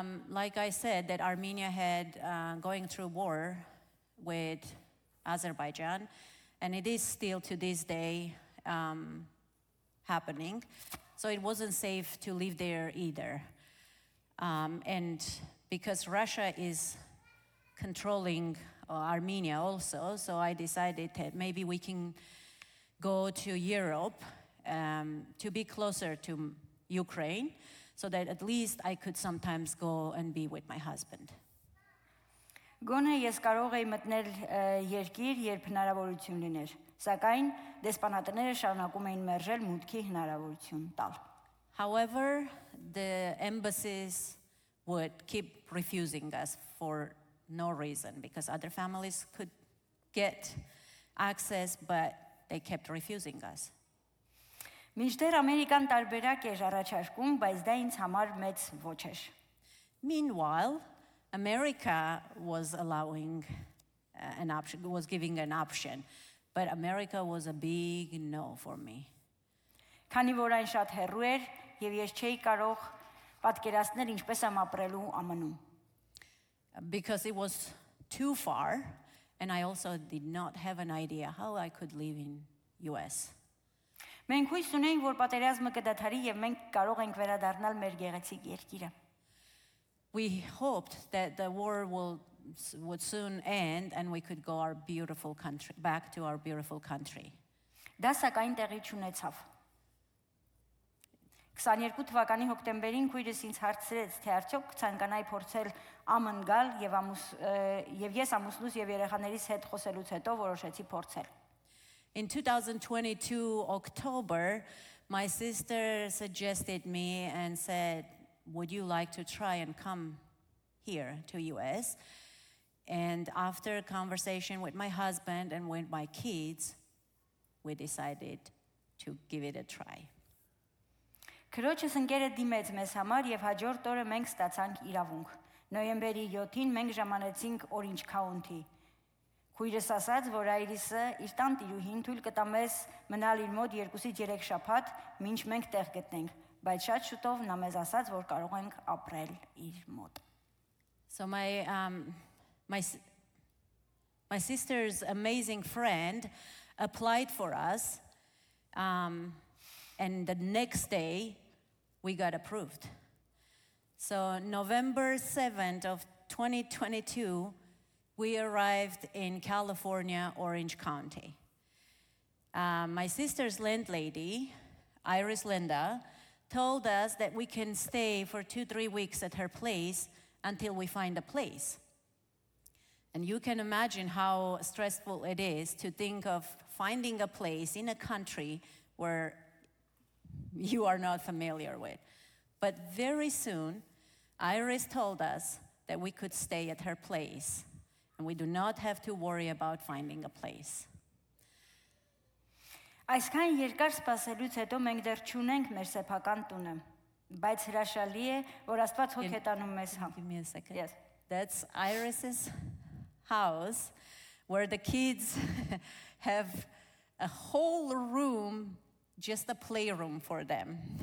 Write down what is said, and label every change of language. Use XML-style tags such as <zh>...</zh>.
<en>Like I said that Armenia had going through war with Azerbaijan, and it is still to this day happening, so it wasn't safe to live there either. And because Russia is controlling Armenia also, so I decided that maybe we can go to Europe to be closer to Ukraine, so that at least I could sometimes go and be with my husband.</en> <hy>Գոնե ես կարող էի մտնել երկիր, երբ հնարավորություն լիներ, սակայն դեսպանատները շարունակում էին մերժել մուտքի հնարավորություն տալ։</hy> <en>However, the embassies would keep refusing us for no reason because other families could get access, but they kept refusing us.</en> <hy>Մինչդեռ ամերիկան տարբերակ էր առաջարկում, բայց դա ինձ համար մեծ ոչ էր։</hy> <en>Meanwhile, America was allowing an option, was giving an option, but America was a big no for me.</en> <hy>Քանի որ այն շատ հեռու էր եւ ես չէի կարող պատկերացնել ինչպես եմ ապրելու ԱՄՆ-ում.</hy> <en>Because it was too far and I also did not have an idea how I could live in US.</en> <hy>Մենք հույս ունեինք, որ պատերազմը կդադարի եւ մենք կարող ենք վերադառնալ մեր գեղեցիկ երկիրը.</hy> <en>We hoped that the war would soon end and we could go our beautiful country back to our beautiful country.</en> <hy>Դա սակայն տեղի չունեցավ. 22 թվականի հոկտեմբերին քույրս ինձ հարցրեց, թե արդյոք ցանկանայի փորձել ԱՄՆ գալ եւ ես ամուսնուս եւ երեխաներիս հետ խոսելուց հետո որոշեցի փորձել.</hy> <en>In 2022 October, my sister suggested me and said, would you like to try and come here to US? And after a conversation with my husband and with my kids, we decided to give it a try.</en> <hy>Քրոջս ընկերը դիմեց մեզ համար եւ հաջորդ օրը մենք ստացանք իրավունք։ Նոյեմբերի 7-ին մենք ժամանեցինք Orange County։ Քույրս ասաց, որ Այրիսը իր տան տիրուհին թույլ կտա մեզ մնալ իր մոտ 2-ից 3 շաբաթ, մինչ մենք տեղ գտնենք։ Բայց շատ շուտով նա մեզ ասաց, որ կարող ենք ապրել իր մոտ։</hy> <en>So my sister's amazing friend applied for us and the next day we got approved. So November 7th of 2022 we arrived in California, Orange County. My sister's landlady, Iris Linda, told us that we can stay for 2-3 weeks at her place until we find a place. And you can imagine how stressful it is to think of finding a place in a country where you are not familiar with. But very soon, Iris told us that we could stay at her place, and we do not have to worry about finding a place.</en> <hy>Այսքան երկար սպասելուց հետո մենք դեռ չունենք մեր սեփական տունը, բայց հրաշալի է, որ Աստված հոգեթանում մեզ հա։</hy> <en>Give me a second. Yes. That's Iris's house where the kids have a whole room, just a playroom for them.</en>